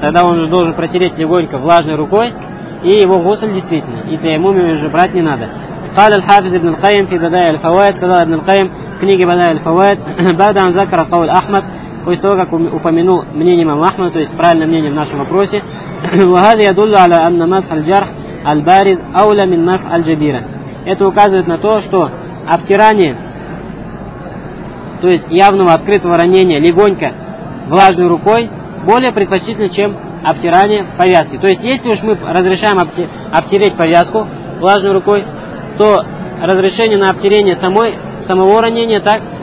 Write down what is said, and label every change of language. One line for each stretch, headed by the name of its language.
Russian: Тогда он же должен протереть легонько влажной рукой, и его гусль действительно. И таяммум ему же брать не надо.
Arabic: قال الحافظ ابن القيم في بدائع الفوائد
Russian: сказал ابن القيم в книге بدائع الفوائد
Arabic: بعد أن ذكر قول أحمد
Russian: после того как упомянул мнение имама Ахмада, то есть правильное мнение в нашем вопросе.
Arabic: وهذا يدل على أن مسح الجرح البارز أولى من مسح الجبيرة.
Russian: Это указывает на то, что обтирание, то есть явного открытого ранения легонько влажной рукой, более предпочтительно, чем обтирание повязки. То есть если уж мы разрешаем обтереть повязку влажной рукой, то разрешение на обтирение самого ранения так